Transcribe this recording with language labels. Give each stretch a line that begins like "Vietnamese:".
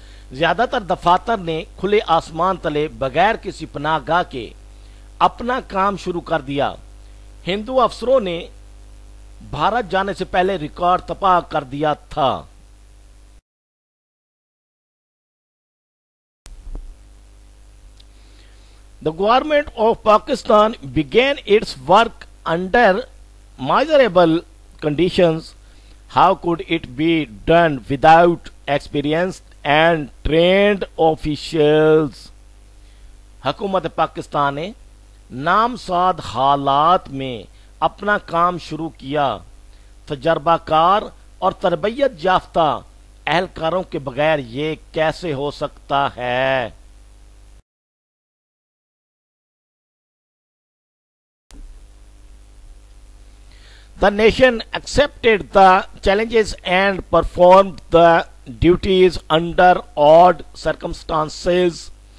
Urdu: زیادہ تر دفاتر نے کھلے آسمان تلے بغیر کسی پناہ گاہ کے اپنا کام شروع کر دیا۔ ہندو افسروں نے بھارت جانے سے پہلے ریکارڈ تپا کر دیا تھا۔
English: The government of Pakistan began its work under miserable conditions. How could it be done without experienced and trained officials?
Urdu: حکومت پاکستان نے نامساد حالات میں اپنا کام شروع کیا تجربہ کار اور تربیت یافتہ اہلکاروں کے بغیر یہ کیسے ہو سکتا ہے؟
English: The nation accepted the challenges and performed the duties under odd circumstances.